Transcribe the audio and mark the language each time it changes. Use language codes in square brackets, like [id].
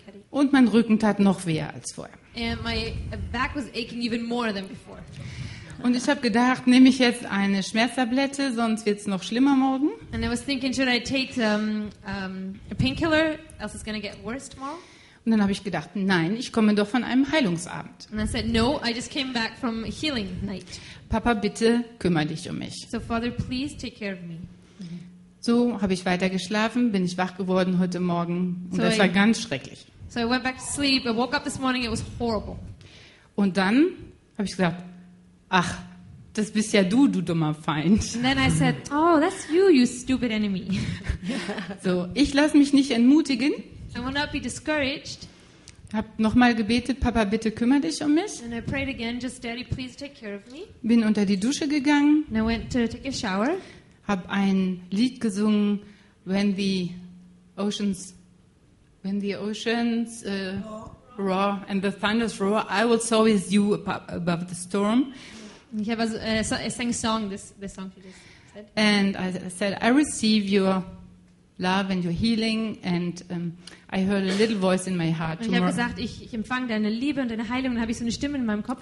[de] Und mein Rücken tat noch weh als vorher. [en] And my back was aching even more than before. [de] Und ich habe gedacht, nehme ich jetzt eine Schmerztablette, sonst wird's noch schlimmer morgen. [en] And I was thinking, should I take a painkiller, else it's gonna get worse tomorrow? [de] Und dann habe ich gedacht, nein, ich komme doch von einem Heilungsabend. [en] And I said, no, I just came back from a healing night. [de] Papa, bitte kümmere dich um mich. [en] So Father, please take care of me. [de] So habe ich weiter geschlafen, bin ich wach geworden heute Morgen und das war ganz schrecklich. [en] So I went back to sleep, I woke up this morning, it was horrible. [de] Und dann habe ich gesagt, ach, das bist ja du dummer Feind. [en] And then I said, oh, that's you, you stupid enemy. [de] So, ich lasse mich nicht entmutigen. [en] I will not be discouraged. [de] Hab nochmal gebetet, Papa, bitte kümmere dich um mich. [en] And I prayed again, just Daddy, please take care of me. [de] Bin unter die Dusche gegangen. [en] And I went to take a shower. [de] Habe ein Lied gesungen, [en] when the oceans roar and the thunders roar, I will soar with you above the storm. [de] Ich habe also [en] sang song this the song you just said. And I said, I receive your love and your healing, and I heard a little voice in my heart. [de] Und ich habe gesagt, ich empfange deine Liebe und deine Heilung, und habe ich so eine Stimme in meinem Kopf